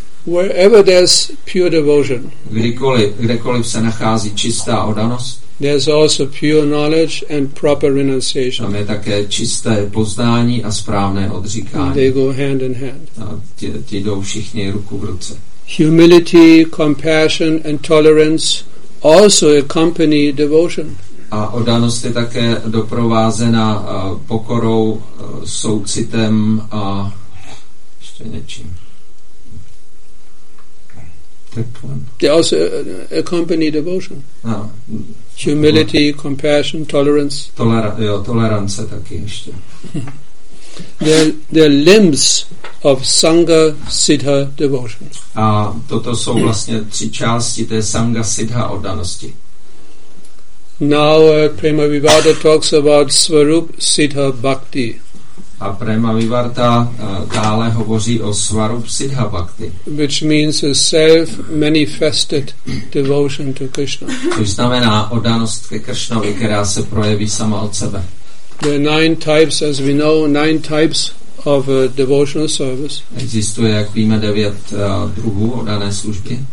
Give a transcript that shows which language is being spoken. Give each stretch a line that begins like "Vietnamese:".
English: Wherever there's pure devotion,
Czech: kdekoliv se nachází čistá oddanost,
English: there's also pure knowledge and proper renunciation.
Czech: Tam je také čisté poznání a správné odříkání.
English: They go hand in hand.
Czech: A ti jdou všichni ruku v ruce.
English: Humility, compassion and tolerance also accompany devotion.
Czech: A oddanost je také doprovázena pokorou, soucitem a ještě něčím.
English: They also accompany devotion. Humility, compassion, tolerance.
Czech: Tolerance taky ještě.
English: They're limbs of Sangha Siddha devotion.
Czech: A toto jsou vlastně tři části té Sangha Siddha oddanosti.
English: Now Prema Vivarta talks about Svarup Siddha Bhakti.
Czech: A Prema Vivarta dále hovoří o Svarup Siddha Bhakti.
English: Which means a self-manifested devotion to Krishna.
Czech: Což znamená oddanost ke Krishnovi, která se projeví sama od sebe.
English: The nine types, as we know, nine types of devotional service.
Czech: Existuje, jak víme, devět druhů oddané služby.